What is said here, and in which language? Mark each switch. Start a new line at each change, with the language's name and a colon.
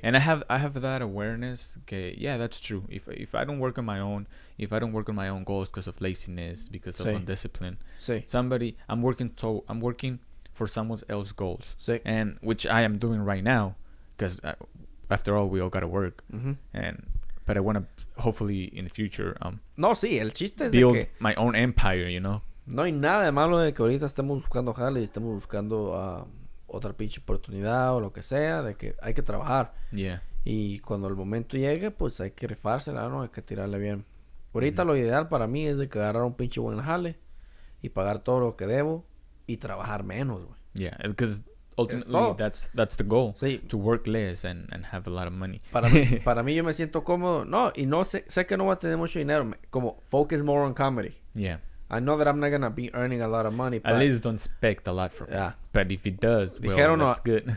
English: And I have that awareness que, yeah, that's true. If I don't work on my own, if I don't work on my own goals because of laziness, because, sí, of undiscipline,
Spanish: sí,
English: I'm working for someone else's goals.
Spanish: Sí.
English: And which I am doing right now, because after all, we all gotta work. Mm-hmm. And but I want to hopefully in the future.
Spanish: No, sí, el chiste es
English: build
Spanish: de que...
English: my own empire, you know.
Spanish: No hay nada de malo de que ahorita estemos buscando jale y estemos buscando otra pinche oportunidad o lo que sea, de que hay que trabajar.
English: Yeah.
Spanish: Y cuando el momento llegue, pues hay que rifársela, ¿no? Hay que tirarle bien. Ahorita, mm-hmm, lo ideal para mí es de que agarrar un pinche buen jale y pagar todo lo que debo y trabajar menos, güey.
English: Yeah, because ultimately that's the goal.
Spanish: Sí.
English: To work less and have a lot of money.
Spanish: Para mí yo me siento cómodo. No, y no sé que no voy a tener mucho dinero.
English: Como focus more on comedy. Yeah. I know that I'm not going to be earning a lot of money. At least don't expect a lot from me. Yeah. But if it does, well, dijeron, that's good.